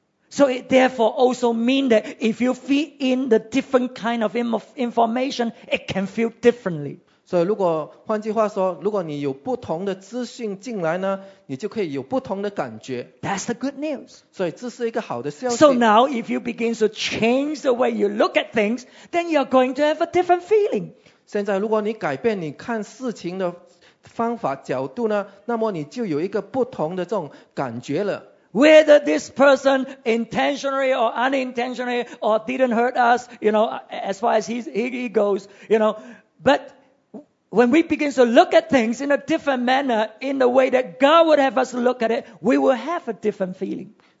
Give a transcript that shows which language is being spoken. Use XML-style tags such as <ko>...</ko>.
<en>So it therefore also means that if you feed in the different kind of information, it can feel differently.</en> <zh>所以如果换句话说，如果你有不同的资讯进来呢，你就可以有不同的感觉。</zh> <en>That's the good news.</en> <zh>所以这是一个好的消息。</zh> <en>So now if you begin to change the way you look at things, then you're going to have a different feeling.</en> <zh>现在如果你改变你看事情的方法角度呢，那么你就有一个不同的这种感觉了。</zh> <en>Whether this person intentionally or unintentionally or didn't hurt us, you know, as far as he goes, you know. But when we begin to look at things in a different manner, in the way that God would have us look at it, we will have a different feeling.</en>